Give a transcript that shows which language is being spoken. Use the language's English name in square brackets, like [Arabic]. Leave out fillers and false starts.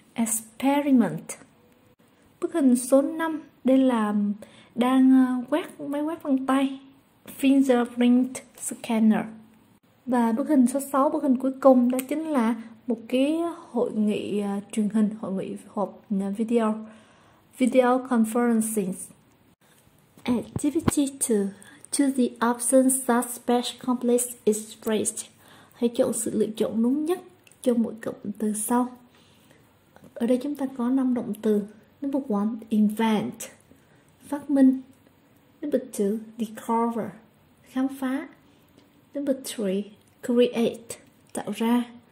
[English] experiment. [Vietnamese] Bức hình số 5, đây là đang quét máy quét vân tay, fingerprint scanner. Và bức hình số 6, bức hình cuối cùng, đó chính là một cái hội nghị truyền hình, hội nghị họp video, video conferencing. [English] Activity 2, choose the option that best completes is phrased. [Vietnamese] Hãy chọn sự lựa chọn đúng nhất cho mỗi cụm từ sau. Ở đây chúng ta có 5 động từ. [English] Number 1, invent, [Vietnamese] phát minh. [English] Number 2, discover, [Vietnamese] khám phá. [English] Number 3, create, [Vietnamese] tạo ra.